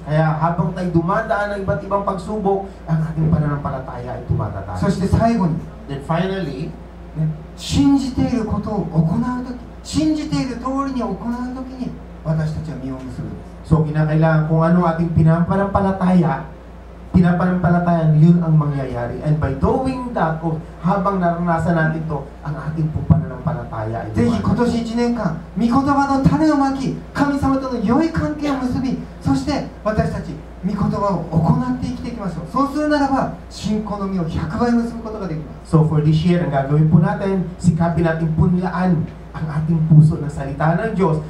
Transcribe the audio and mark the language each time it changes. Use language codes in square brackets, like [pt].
[tl] Kaya habang tayo dumadaan ng iba't ibang pagsubok, ang ating pananampalataya ay tumatatag. [ja] そして最後に、 [en] Then finally, [ja] 信じていることを行うとき、信じている通りに行うときに私たちは身を結ぶ。 [tl] So, kinakailangan kung ano ating pinapanampalatayaPinapanampalatayan, yun ang mangyayari. [en] And by doing that, [tl] oh, habang naranasan natin ito, ang ating pananampalataya ay [ja] ぜひ今年1年間、御言葉の種をまき、神様との良い関係を結び、そして私たち、御言葉を行って生きていきましょう。そうするならば、信仰の実を100倍結ぶことができます。 [en] So for this year, [tl] ang gagawin po natin, sikapin natin punlaan ang ating puso ng salita ng Diyos.